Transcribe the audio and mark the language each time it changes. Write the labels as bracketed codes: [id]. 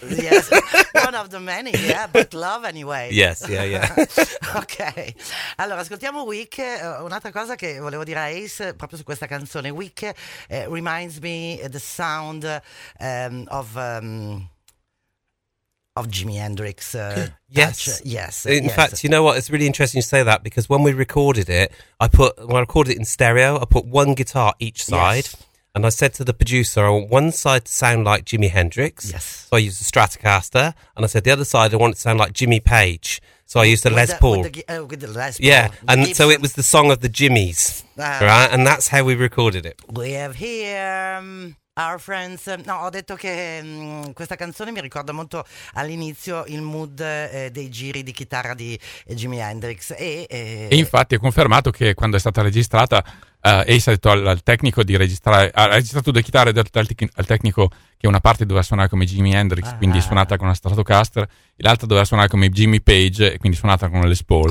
[en] Yes, one of the many, yeah, but love anyway. Yes, yeah, yeah. [it] Ok, allora ascoltiamo Week. Un'altra cosa che volevo dire a Ace proprio su questa canzone. [en] Week reminds me the sound of Jimi Hendrix. In fact, you know what? It's really interesting you say that, because when we recorded it, I recorded it in stereo, I put one guitar each side. Yes. And I said to the producer, I want one side to sound like Jimi Hendrix. Yes. So I used a Stratocaster. And I said, the other side, I want it to sound like Jimmy Page. So I used a Les Paul. Yeah, and so it was the song of the Jimmies, right? And that's how we recorded it. We have here... Our Friends. [it] No, ho detto che questa canzone mi ricorda molto all'inizio il mood dei giri di chitarra di Jimi Hendrix. E infatti è confermato che quando è stata registrata, Ace ha detto al tecnico di registrare, ha registrato due chitarre, ha detto al tecnico che una parte doveva suonare come Jimi Hendrix, quindi suonata con una Stratocaster, e l'altra doveva suonare come Jimmy Page, quindi suonata con Les Paul.